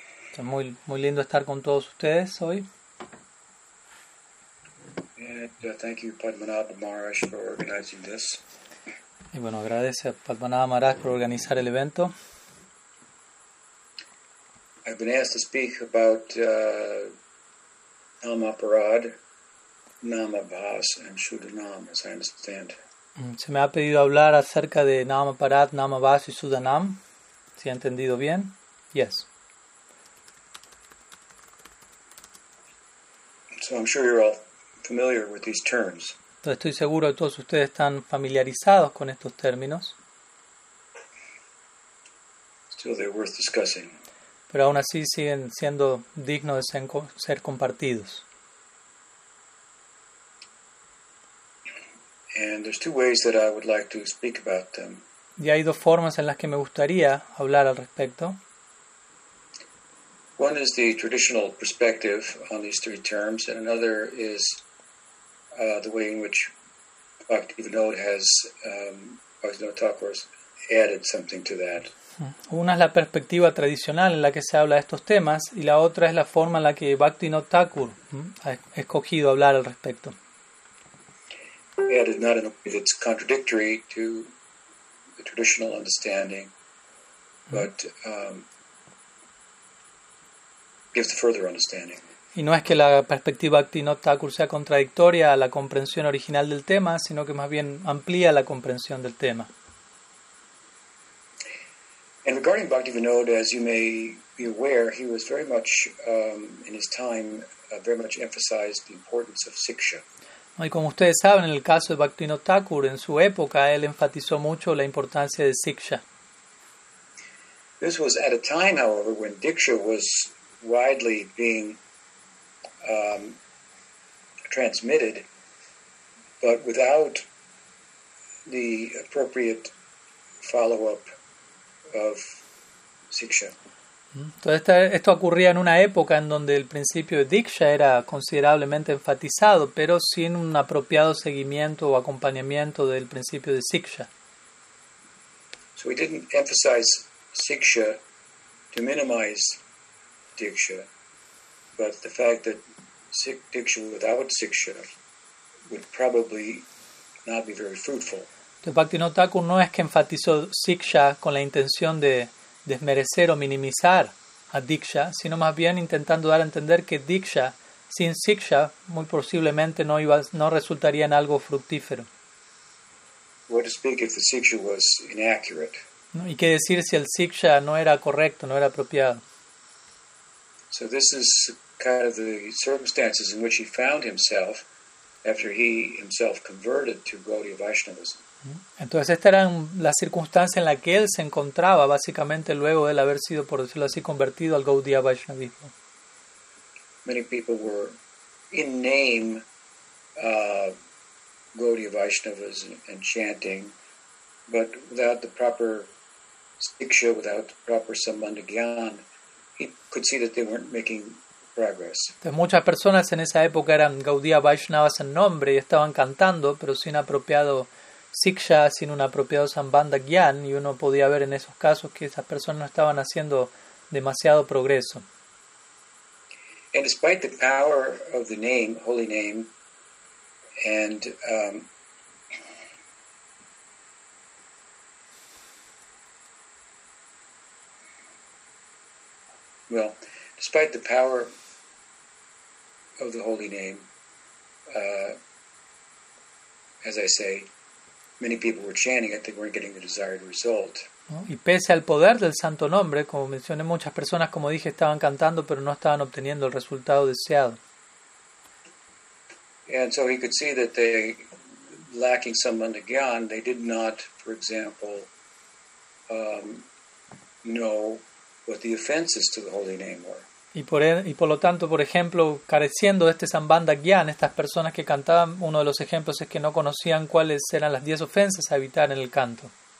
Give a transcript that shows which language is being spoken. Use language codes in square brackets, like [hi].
[es] Está muy, muy lindo estar con todos ustedes hoy. [en] Yeah, thank you, Padmanabha Maharaj, for organizing this. [es] Y bueno, agradece a Padmanabha Maharaj por organizar el evento. [en] I've been asked to speak about Namaparadha, Namabhasa, and Suddha-nama, as I understand. [es] Se me ha pedido hablar acerca de Namaparadha, Namabhasa y Suddha-nama. ¿Si he entendido bien? Yes. [en] So I'm sure you're all familiar with these terms. [es] Entonces estoy seguro que todos ustedes están familiarizados con estos términos. [en] Still they're worth discussing. [es] Pero aún así siguen siendo dignos de ser compartidos. [en] And there's two ways that I would like to speak about them. [es] Y hay dos formas en las que me gustaría hablar al respecto. [en] One is the traditional perspective on these three terms, and another is the way in which Bhaktivinoda has Bhaktivinoda Thakur has added something to that. [es] Una es la perspectiva tradicional en la que se habla de estos temas, y la otra es la forma en la que Bhaktivinoda Thakur ha escogido hablar al respecto. [en] Added not in a way that's contradictory to the traditional understanding, but gives a further understanding. [es] Y no es que la perspectiva Bhaktivinoda Thakur sea contradictoria a la comprensión original del tema, sino que más bien amplía la comprensión del tema. [en] And regarding Bhaktivinoda, as you may be aware, he was very much in his time very much emphasized the importance of siksha. [es] Y como ustedes saben, en el caso de Bhaktivinoda Thakur, en su época, él enfatizó mucho la importancia de siksha. [en] This was at a time, however, when diksha was widely being transmitted, but without the appropriate follow-up of siksha. [es] Entonces esto ocurría en una época en donde el principio de Diksha era considerablemente enfatizado, pero sin un apropiado seguimiento o acompañamiento del principio de Siksha. [en] So we didn't emphasize Siksha to minimize Diksha, but the fact that Diksha without Siksha would probably not be very fruitful. [es] Entonces Bhaktivinoda Thakur no es que enfatizó Siksha con la intención de desmerecer o minimizar a Diksha, sino más bien intentando dar a entender que Diksha, sin Siksha, muy posiblemente no resultaría en algo fructífero. [en] What to speak if the Siksha was inaccurate. [es] Y qué decir si el Siksha no era correcto, no era apropiado. [en] So this is kind of the circumstances in which he found himself after he himself converted to Gaudiya Vaishnavism. [es] Entonces estas eran las circunstancias en las que él se encontraba básicamente luego de él haber sido, por decirlo así, convertido al Gaudiya Vaishnavismo. [en] Many people were in name Gaudiya Vaishnavas and chanting, but without the proper siksha, without the proper sambandha gyan, he could see that they weren't making progress. [es] Entonces, muchas personas en esa época eran Gaudiya Vaishnavas en nombre y estaban cantando, pero sin apropiado Siksha, sin un apropiado sambandha gyan, y uno podía ver en esos casos que esas personas no estaban haciendo demasiado progreso. [en] And despite the power of the name, holy name, and well, despite the power of the holy name, as I say, many people were chanting it, they weren't getting the desired result. [es] Y pese al poder del santo nombre, como mencioné, muchas personas, como dije, estaban cantando, pero no estaban obteniendo el resultado deseado. [en] And so he could see that they, lacking some mandagyan, they did not, for example, know what the offenses to the holy name were. [es] Y por lo tanto, por ejemplo, careciendo de este sambandha gyan, estas personas que cantaban, uno de los ejemplos es que no conocían cuáles eran las 10 ofensas a evitar en el canto.